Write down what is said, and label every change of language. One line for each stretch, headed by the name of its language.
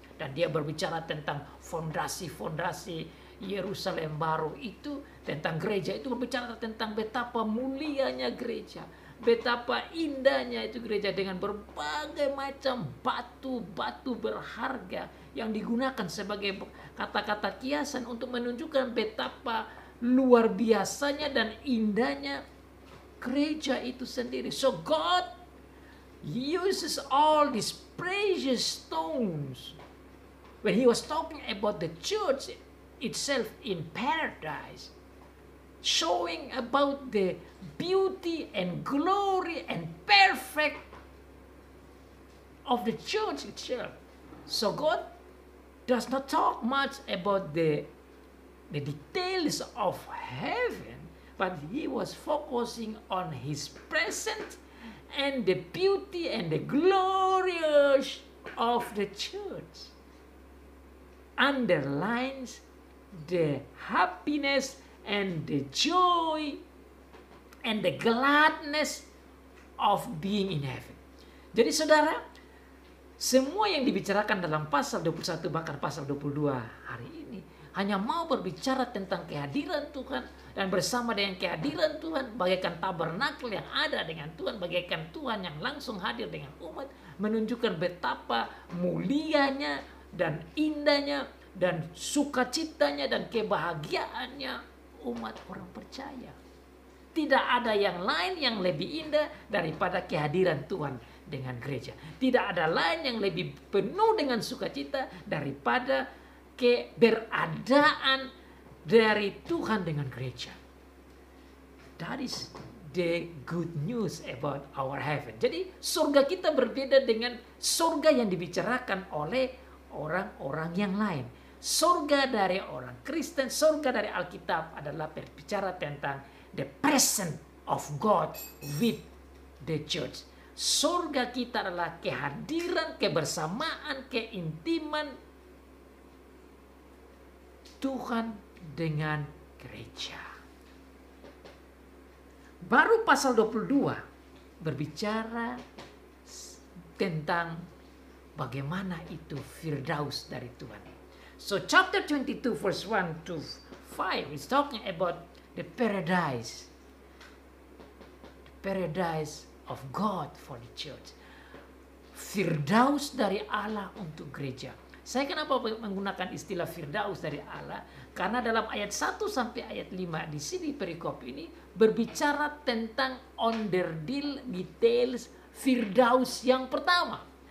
Indonesian: Dan dia berbicara tentang fondasi-fondasi Yerusalem baru itu, tentang gereja itu, berbicara tentang betapa mulianya gereja, betapa indahnya itu gereja dengan berbagai macam batu-batu berharga yang digunakan sebagai kata-kata kiasan untuk menunjukkan betapa luar biasanya dan indahnya gereja itu sendiri.
English: So God uses all these precious stones when he was talking about the church itself in paradise, showing about the beauty and glory and perfect of the church itself. So God does not talk much about the details of heaven, but he was focusing on his present and the beauty and the glorious of the church. Underlines the happiness and the joy and the gladness of being in heaven.
Indonesian: Jadi saudara, semua yang dibicarakan dalam pasal 21 bahkan pasal 22 hari ini hanya mau berbicara tentang kehadiran Tuhan, dan bersama dengan kehadiran Tuhan bagaikan tabernakel yang ada dengan Tuhan, bagaikan Tuhan yang langsung hadir dengan umat, menunjukkan betapa mulianya dan indahnya dan sukacitanya dan kebahagiaannya umat orang percaya. Tidak ada yang lain yang lebih indah daripada kehadiran Tuhan dengan gereja. Tidak ada lain yang lebih penuh dengan sukacita daripada keberadaan dari Tuhan dengan gereja.
English: That is the good news about our heaven.
Indonesian: Jadi surga kita berbeda dengan surga yang dibicarakan oleh orang-orang yang lain. Surga dari orang Kristen, surga dari Alkitab adalah berbicara tentang
English: the presence of God with the church.
Indonesian: Surga kita adalah kehadiran, kebersamaan, keintiman Tuhan dengan gereja. Baru pasal 22 berbicara tentang bagaimana itu Firdaus dari Tuhan.
English: So chapter 22 verse 1 to 5 is talking about the paradise. The paradise of God for the church.
Indonesian: Firdaus dari Allah untuk gereja. Saya kenapa menggunakan istilah Firdaus dari Allah? Karena dalam ayat 1 sampai ayat 5 di sini perikop ini berbicara tentang
English: under deal details
Indonesian: Firdaus yang pertama.